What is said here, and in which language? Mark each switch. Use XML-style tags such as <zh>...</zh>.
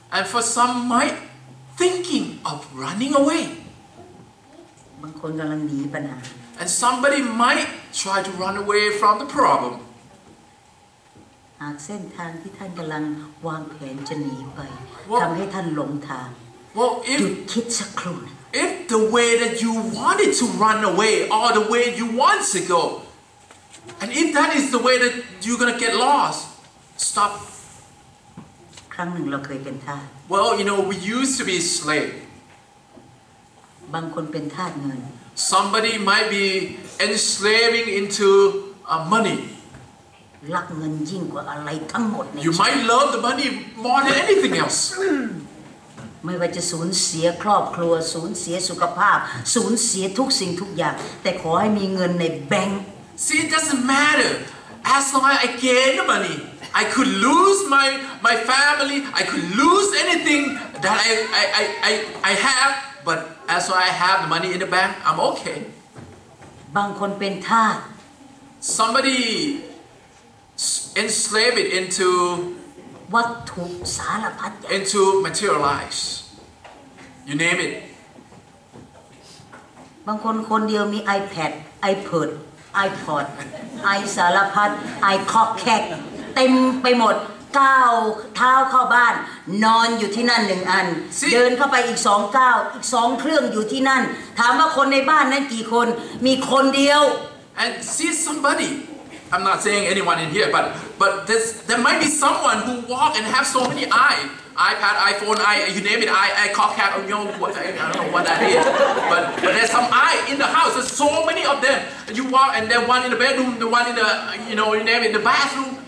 <en>And for some might thinking of running away.</en> <th>บางคนกำลังหนีปัญหา</th> <en>And somebody might try to run away from the problem.</en> <th>หากเส้นทางที่ท่านกำลังวางแผนจะหนีไปทำให้ท่านหลงทาง</th> <en>Well, if,</en> <th>คิดสักครู่</th> <en>if the way that you wanted to run away or the way you want to go, and if that is the way that you're gonna get lost, stop.</en> <th>ครั้งหนึ่งเราเคยเป็นทาส</th> <en>Well, you know, we used to be slave.</en> <th>บางคนเป็นทาสเงิน</th> <en>Somebody might be enslaving into money.</en> <th>รักเงินยิ่งกว่าอะไรทั้งหมด</th> <en>You might love the money more than anything else.</en> <th>ไม่ว่าจะสูญเสียครอบครัวสูญเสียสุขภาพสูญเสียทุกสิ่งทุกอย่างแต่ขอให้มีเงินในแบงค์</th> <en>See it doesn't matter as long as I gain the money I could lose my family I could lose anything that I have but as long as I have the money in the bank I'm okay</en> <th>บางคนเป็นทาส</th> <en>Somebody enslaved intow</en> <th>ตถุสารพัดอย่าง</th> <en>into materialize you name it</en> <th>บางคนคนเดียวมี iPad iPod iPod i สารพัด i คอกแคกเต็มไปหมดก้าวเท้าเข้าบ้านนอนอยู่ที่นั่น1อันเดินเข้าไปอีก2ก้าวอีก2เครื่องอยู่ที่นั่นถามว่าคนในบ้านนั้นกี่คนมีคนเดียว</th> <en>and see somebodyI'm not saying anyone in here, but there might be someone who walk and have so many iPad, iPhone, you name it, iCockcat, I don't know what that is. But there's some I in the house, there's so many of them. You walk and then one in the bedroom, the one in the, you know, you name it, the bathroom.</en>